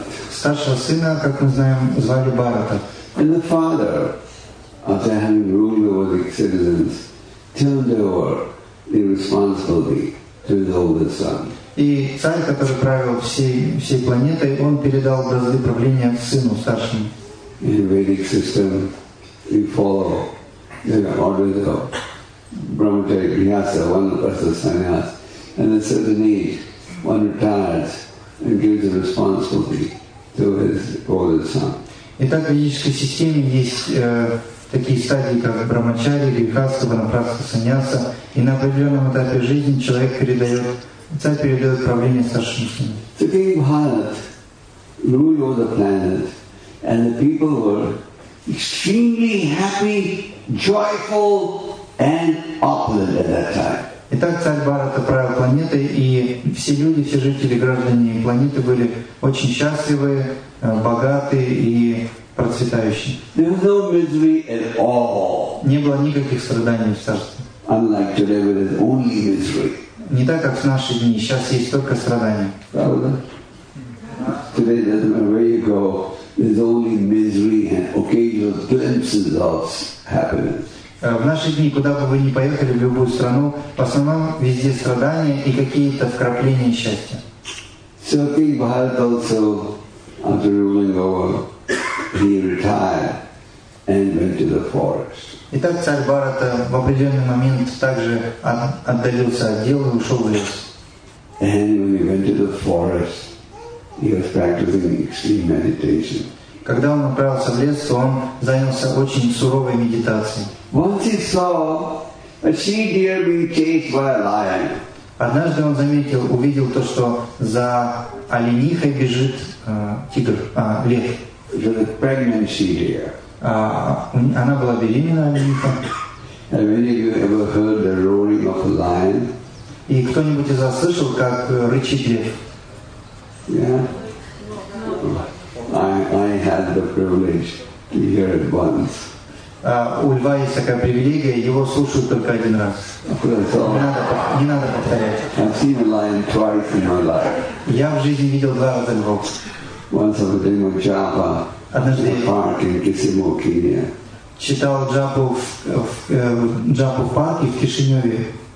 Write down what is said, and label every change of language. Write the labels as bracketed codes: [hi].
[ru] Старшего сына, как мы знаем, звали Бхарата. [en] And the father, after having ruled over the citizens, turned over the responsibility to his older son. [ru] И царь, который правил всей планетой, он передал бразды правления сыну старшему. [en] In the Vedic system, we follow the order of Brahmacharya Grihastha, one person sannyas, and at a certain age, one retires and gives the responsibility to his older son. [ru] Итак, в ведической системе есть такие стадии, как брахмачари, грихастха, ванапрастха, саньяса. И на определенном этапе жизни человек передает, царь передает правление старшему сыну. [en] So King Bharat ruled over the planet, and the people were extremely happy, joyful, and opulent at that time. [ru] Итак, царь Бхарата правил планетой, и все люди, все жители, граждане планеты были очень счастливы, богатые и процветающие. [en] No misery at all. [ru] Не было никаких страданий в царстве. [en] Unlike today, where there's only misery. [ru] Не так, как в наши дни. Сейчас есть только страдания. [en] Today, no matter where you go, there's only misery and occasional glimpses of happiness. [ru] В наши дни, куда бы вы ни поехали, в любую страну, в основном везде страдания и какие-то вкрапления счастья. [en] So King Bharat also, after ruling over, he retired and went to the forest. [ru] Итак, царь Бхарата в определенный момент также отдалился от дел и ушел в лес. [en] And when he went to the forest, he was practicing extreme meditation. [ru] Когда он отправился в лес, он занялся очень суровой медитацией. [en] Once he saw a she deer being chased by a lion. [ru] Однажды он заметил, увидел то, что за оленихой бежит тигр, лев. [en] It was a pregnant she deer. [ru] Она была беременна олениха. [en] And many of you ever heard the roaring of a lion? [ru] И кто-нибудь из вас слышал, как рычит лев? [en] Yeah. I had the privilege to hear it once. [ru] У льва есть такая привилегия, его слушают только один раз. Не надо повторять. [en] I've seen a lion twice in my life. [ru] Я в жизни видел два раза льва. [en] Once I was in Japa, [ru] однажды [en] in a park in Kisimo, Kenya. [ru] Читал Джапу в парке в Кишиневе.